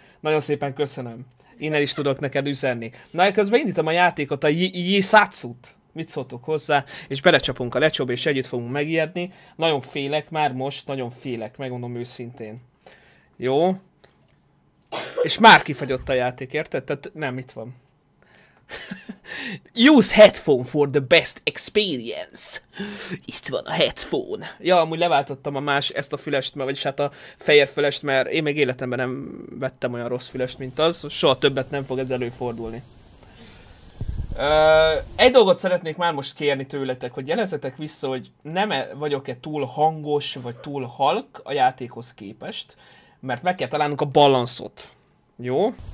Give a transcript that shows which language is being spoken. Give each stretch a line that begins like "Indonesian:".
Hungarian: Nagyon szépen köszönöm. Innen is tudok neked üzenni. Na, közben indítom a játékot, a Jisatsut. Mit szóltok hozzá? És belecsapunk a lecsóba, és együtt fogunk megijedni. Nagyon félek, már most nagyon félek, megmondom őszintén. Jó? És már kifagyott a játék, érted? Tehát nem, itt van.
English: Use headphone for the best experience.
Hungarian: Itt van a headphone. Ja, amúgy leváltottam a más ezt a fülest, vagyis hát a fehér fülest, mert én még életemben nem vettem olyan rossz fülest, mint az. Soha többet nem fog ez előfordulni. Egy dolgot szeretnék már most kérni tőletek, hogy jelezzetek vissza, hogy nem vagyok-e túl hangos, vagy túl halk a játékhoz képest, mert meg kell találnunk a balanszot. Jó?